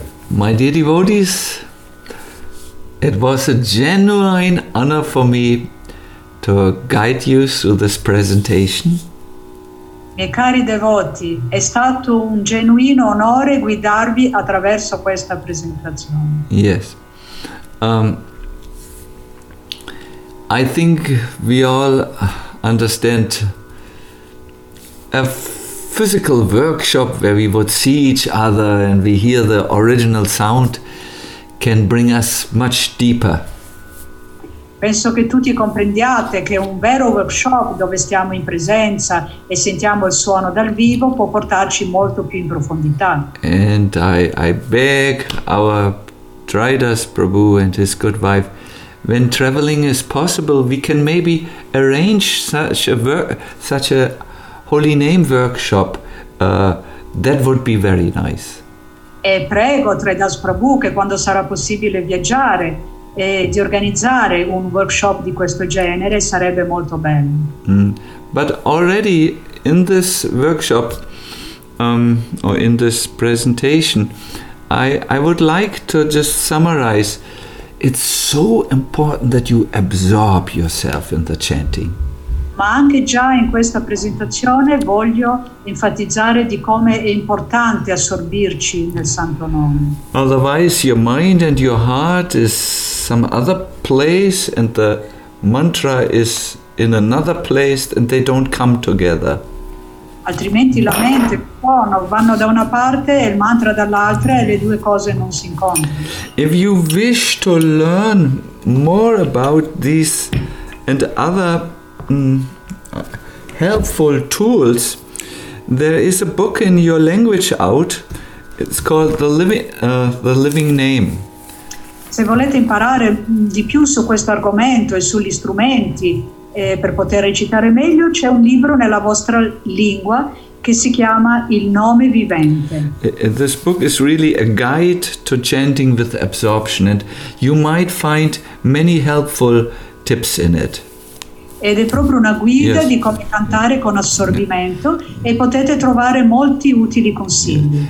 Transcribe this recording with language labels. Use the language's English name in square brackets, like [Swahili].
[English] My dear devotees, it was a genuine honor for me to guide you through this presentation. [Italian] E cari devoti, è stato un genuino onore guidarvi attraverso questa presentazione. [English] Yes. I think we all understand a physical workshop where we would see each other and we hear the original sound can bring us much deeper. [Italian] Penso che tutti comprendiate che un vero workshop dove stiamo in presenza e sentiamo il suono dal vivo può portarci molto più in profondità. [English] And I beg our Tridas Prabhu and his good wife, when traveling is possible, we can maybe arrange such a holy name workshop. That would be very nice. [Italian] E prego Tridas Prabhu che quando sarà possibile viaggiare e di organizzare un workshop di questo genere sarebbe molto bello. [English] But already in this workshop or in this presentation I would like to just summarize, it's so important that you absorb yourself in the chanting. [Italian] Ma anche già in questa presentazione voglio enfatizzare di come è importante assorbirci nel Santo Nome. [English] Otherwise your mind and your heart is some other place and the mantra is in another place and they don't come together. [Italian] Altrimenti la mente e il suono vanno da una parte e il mantra dall'altra e le due cose non si incontrano. [English] If you wish to learn more about this and other helpful tools, there is a book in your language out, it's called The Living Name. [Italian] Se volete imparare di più su questo argomento e sugli strumenti per poter recitare meglio, c'è un libro nella vostra lingua che si chiama Il Nome Vivente. [English] This book is really a guide to chanting with absorption and you might find many helpful tips in it. [Italian] Ed è proprio una guida, yes, di come cantare con assorbimento, yes, e potete trovare molti utili consigli.